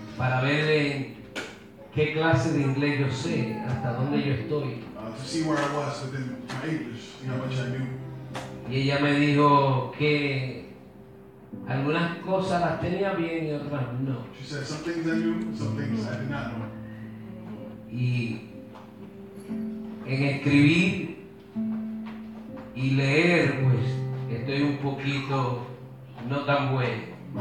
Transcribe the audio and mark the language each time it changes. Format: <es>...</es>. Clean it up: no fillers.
<es>Para ver en qué clase de inglés yo sé, hasta dónde yo estoy.</es> <en>To see where I was within my English, you know, how much I knew.</en> <es>Y ella me dijo que algunas cosas las tenía bien y otras no.</es> <en>She said some things I knew, some things I did not know.</en> <es>Y en escribir y leer, pues, estoy un poquito no tan bien.</es>